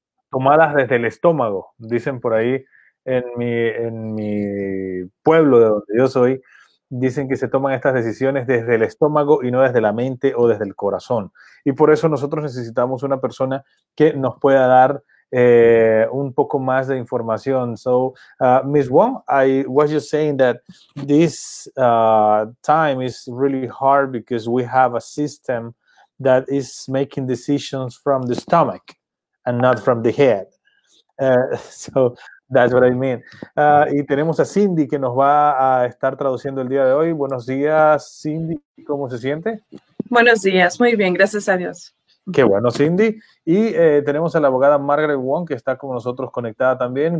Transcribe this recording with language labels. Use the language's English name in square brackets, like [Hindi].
[Spanish] Tomadas desde el estómago, dicen por ahí en mi pueblo de donde yo soy, dicen que se toman estas decisiones desde el estómago y no desde la mente o desde el corazón. Y por eso nosotros necesitamos una persona que nos pueda dar un poco más de información. [English] So, Ms. Wong, I was just saying that this time is really hard because we have a system that is making decisions from the stomach and not from the head. So that's what I mean. [Spanish] Y tenemos a Cindy que nos va a estar traduciendo el día de hoy. Buenos días, Cindy. ¿Cómo se siente? Buenos días, muy bien, gracias a Dios. Qué bueno, Cindy. Y tenemos a la abogada Margaret Wong que está con nosotros conectada también.